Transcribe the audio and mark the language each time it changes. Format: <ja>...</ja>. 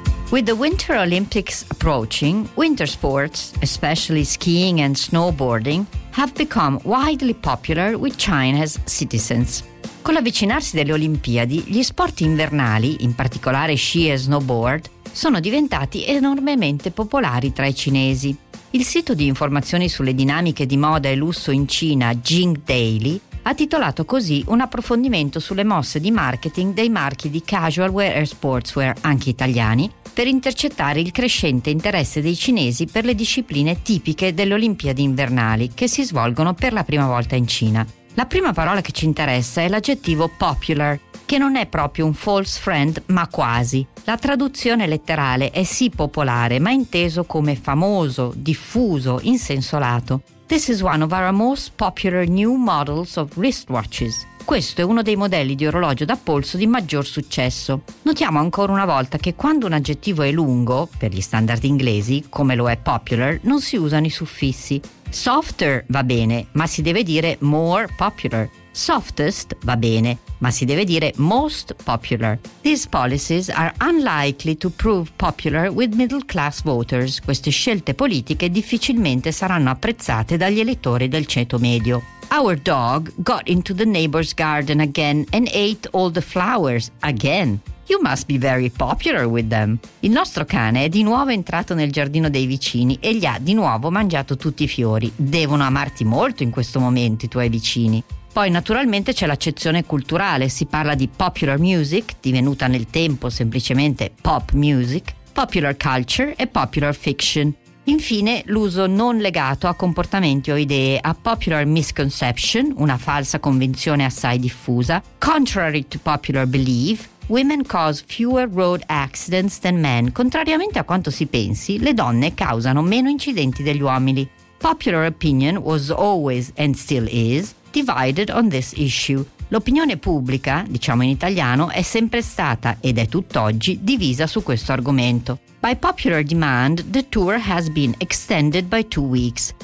<en>With the Winter Olympics approaching, winter sports, especially skiing and snowboarding, have become widely popular with China's citizens.</en> <it>Con l'avvicinarsi delle Olimpiadi, gli sport invernali, in particolare sci e snowboard, sono diventati enormemente popolari tra i cinesi. Il sito di informazioni sulle dinamiche di moda e lusso in Cina, Jing Daily, ha titolato così un approfondimento sulle mosse di marketing dei marchi di casual wear e sportswear, anche italiani, per intercettare il crescente interesse dei cinesi per le discipline tipiche delle Olimpiadi invernali, che si svolgono per la prima volta in Cina. La prima parola che ci interessa è l'aggettivo popular, che non è proprio un false friend, ma quasi. La traduzione letterale è sì popolare, ma inteso come famoso, diffuso, in senso lato.</it> <en>This is one of our most popular new models of wristwatches.</en> <it>Questo è uno dei modelli di orologio da polso di maggior successo. Notiamo ancora una volta che quando un aggettivo è lungo, per gli standard inglesi, come lo è popular, non si usano i suffissi. Softer va bene, ma si deve dire</it> <en>more popular.</en> <it>Softest va bene, ma si deve dire</it> <en>most popular. These policies are unlikely to prove popular with middle class voters.</en> <it>Queste scelte politiche difficilmente saranno apprezzate dagli elettori del ceto medio.</it> <en>Our dog got into the neighbor's garden again and ate all the flowers again. You must be very popular with them.</en> <it>Il nostro cane è di nuovo entrato nel giardino dei vicini e gli ha di nuovo mangiato tutti i fiori. Devono amarti molto in questo momento i tuoi vicini. Poi naturalmente c'è l'accezione culturale, si parla di popular music, divenuta nel tempo semplicemente pop music, popular culture e popular fiction. Infine, l'uso non legato a comportamenti o idee,</it> <en>a popular misconception,</en> <it>una falsa convinzione assai diffusa,</it> <en>contrary to popular belief, women cause fewer road accidents than men.</en> <it>Contrariamente a quanto si pensi, le donne causano meno incidenti degli uomini.</it> <en>Popular opinion was always and still is divided on this issue.</en> <it>L'opinione pubblica, diciamo in italiano, è sempre stata ed è tutt'oggi divisa su questo argomento.</it> <en>By popular demand, the tour has been extended by 2 weeks.</en>